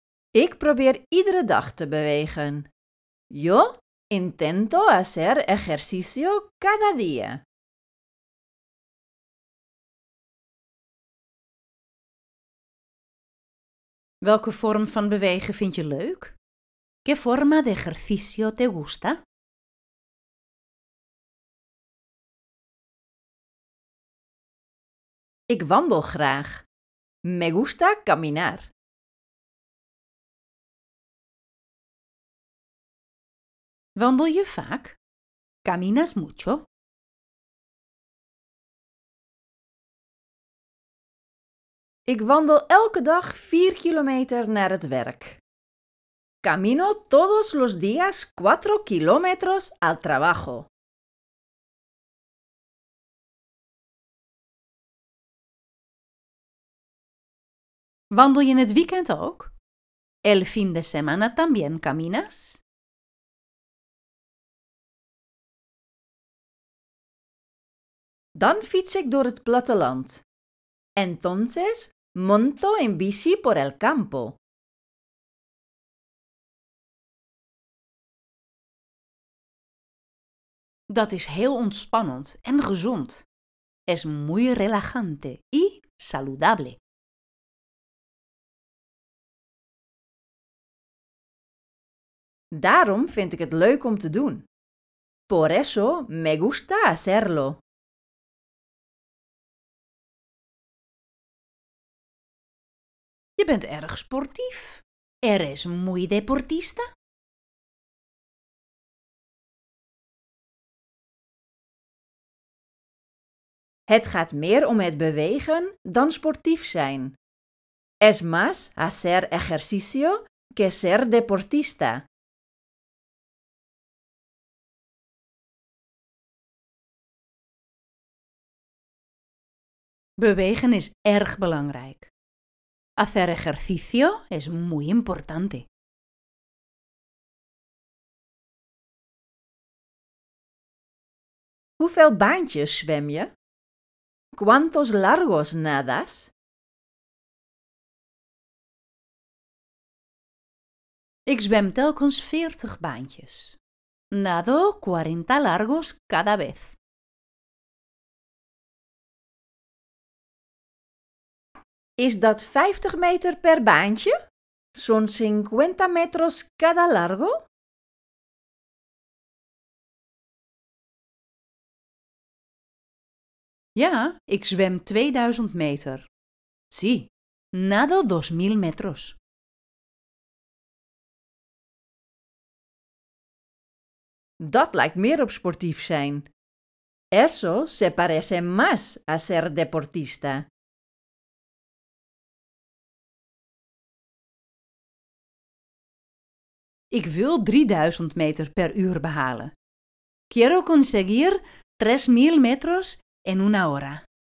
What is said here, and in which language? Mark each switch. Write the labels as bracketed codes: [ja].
[nl] Ik probeer iedere dag te bewegen. [es] Yo intento hacer ejercicio cada día. [nl] Welke vorm van bewegen vind je leuk? [es] ¿Qué forma de ejercicio te gusta? [nl] Ik wandel graag. [es] Me gusta caminar. [nl] Wandel je vaak? [es] ¿Caminas mucho? [nl] Ik wandel elke dag 4 kilometer naar het werk. [es] Camino todos los días 4 kilómetros al trabajo. [nl] Wandel je in het weekend ook? [es] ¿El fin de semana también caminas? [nl] Dan fiets ik door het platteland. [es] Entonces monto en bici por el campo. [nl] Dat is heel ontspannend en gezond. [es] Es muy relajante y saludable. [nl] Daarom vind ik het leuk om te doen. [es] Por eso me gusta hacerlo. [nl] Je bent erg sportief. [es] Eres muy deportista. [nl] Het gaat meer om het bewegen dan sportief zijn. [es] Es más hacer ejercicio que ser deportista. [nl] Bewegen is erg belangrijk. [es] Hacer ejercicio es muy importante. [nl] ¿Hoeveel baantjes zwem je? [es] ¿Cuántos largos nadas? [nl] Ik zwem telkens 40 baantjes. [es] Nado 40 largos cada vez. [nl] Is dat 50 meter per baantje? [es] Son 50 metros cada largo? [nl] Ja, ik zwem 2000 meter. [es] Sí, nado 2000 metros. [nl] Dat lijkt meer op sportief zijn. [es] Eso se parece más a ser deportista. [nl] Ik wil 3000 meter per uur behalen. [es] Quiero conseguir 3000 metros en una hora.